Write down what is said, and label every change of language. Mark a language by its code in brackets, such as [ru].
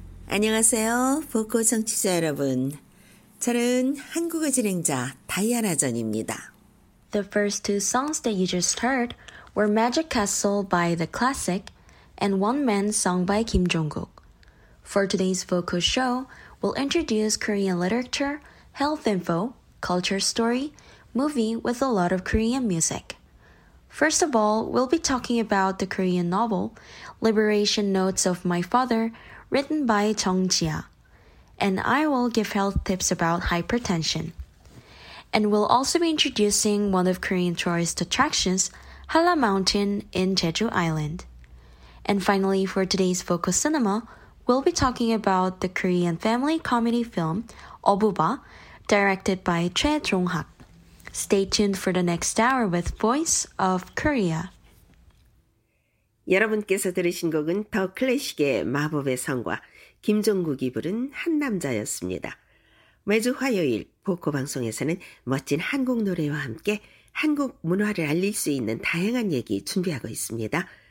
[ko] 안녕하세요, 보코 청취자 여러분. 저는 한국어 진행자 다이아나 전입니다. [en] The first two songs that you just heard were Magic Castle by The Classic and One Man Song by Kim Jong-guk. For today's Voco show, we'll introduce Korean literature, health info, culture story, movie with a lot of Korean music. First of all, we'll be talking about the Korean novel Liberation Notes of My Father, written by Jung Jia. And I will give health tips about hypertension. And we'll also be introducing one of Korean tourist attractions, Halla Mountain in Jeju Island. And finally, for today's Voco Cinema, we'll be talking about the Korean family comedy film 어부바, directed by Choi Jong-hak. Stay tuned for the next hour with Voice of Korea. [ko] 여러분께서 들으신 곡은 더 클래식의 마법의 성과 김종국이 부른 한 남자였습니다. 매주 화요일 보코 방송에서는 멋진 한국 노래와 함께 한국 문화를 알릴 수 있는 다양한 얘기 준비하고 있습니다.